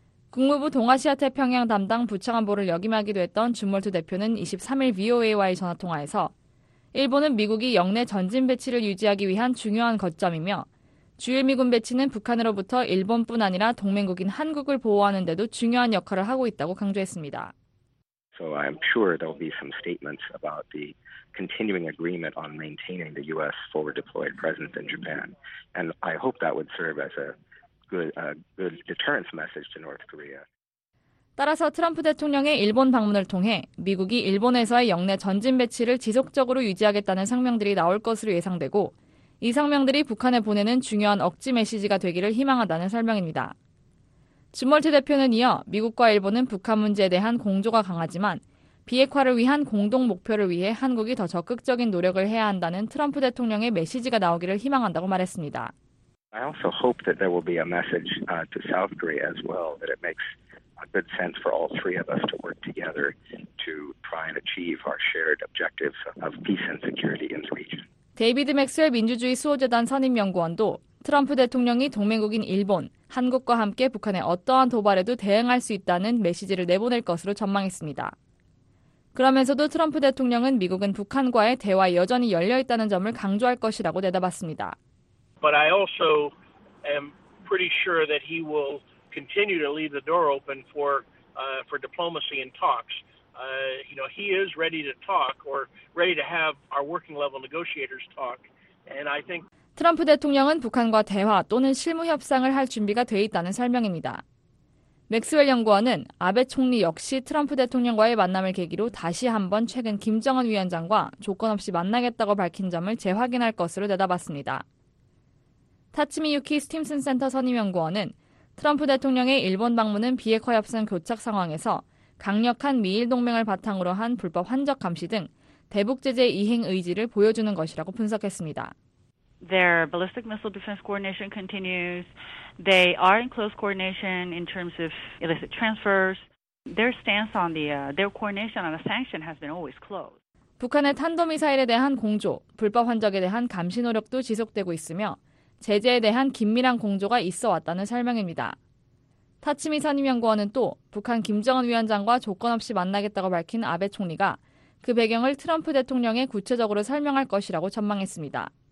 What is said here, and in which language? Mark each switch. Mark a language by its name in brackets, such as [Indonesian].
[Korean] 국무부 동아시아태평양 담당 부차관보를 역임하기도 했던 준멀트 대표는 23일 VOA와의 전화통화에서 일본은 미국이 영내 전진 배치를 유지하기 위한 중요한 거점이며 주일미군 배치는 북한으로부터 일본뿐 아니라 동맹국인 한국을 보호하는 데도 중요한 역할을 하고 있다고 강조했습니다. [English] So I'm sure there will be some statements about the continuing agreement on maintaining the U.S. forward deployed presence in Japan. And I hope that would serve as a good deterrence message to North Korea. [Korean] 따라서 트럼프 대통령의 일본 방문을 통해 미국이 일본에서의 영내 전진 배치를 지속적으로 유지하겠다는 성명들이 나올 것으로 예상되고 이 성명들이 북한에 보내는 중요한 억지 메시지가 되기를 희망한다는 설명입니다. 주멀트 대표는 이어 미국과 일본은 북한 문제에 대한 공조가 강하지만 비핵화를 위한 공동 목표를 위해 한국이 더 적극적인 노력을 해야 한다는 트럼프 대통령의 메시지가 나오기를 희망한다고 말했습니다. [English] I also hope that there will be a message to South Korea as well that it makes a good sense for all three of us to work together to try and achieve our shared objectives of peace and security in the region. [Korean] 데이비드 맥스웰 민주주의 수호재단 선임 연구원도 트럼프 대통령이 동맹국인 일본, 한국과 함께 북한의 어떠한 도발에도 대응할 수 있다는 메시지를 내보낼 것으로 전망했습니다. 그러면서도 트럼프 대통령은 미국은 북한과의 대화 여전히 열려 있다는 점을 강조할 것이라고 내다봤습니다. [English] But I also am pretty sure that he will continue to leave the door open for diplomacy and talks. You know, he is ready to talk or ready to have our working level negotiators talk. And I think [Korean] 트럼프 대통령은 북한과 대화 또는 실무 협상을 할 준비가 돼 있다는 설명입니다. 맥스웰 연구원은 아베 총리 역시 트럼프 대통령과의 만남을 계기로 다시 한번 최근 김정은 위원장과 조건 없이 만나겠다고 밝힌 점을 재확인할 것으로 내다봤습니다. 타츠미유키 스팀슨 센터 선임연구원은 트럼프 대통령의 일본 방문은 비핵화 협상 교착 상황에서 강력한 미일 동맹을 바탕으로 한 불법 환적 감시 등 대북 제재 이행 의지를 보여주는 것이라고 분석했습니다. [English] Their ballistic missile defense coordination continues. They are in close coordination in terms of illicit transfers. Their stance on their coordination on the sanction has been always close. [Korean] 북한의 탄도미사일에 대한 공조, 불법 환적에 대한 감시 노력도 지속되고 있으며 제재에 대한 긴밀한 공조가 있어 왔다는 설명입니다. 타치미 선임연구원은 또 북한 김정은 위원장과 조건 없이 만나겠다고 밝힌 아베 총리가 그 배경을 트럼프 대통령에 구체적으로 설명할 것이라고 전망했습니다.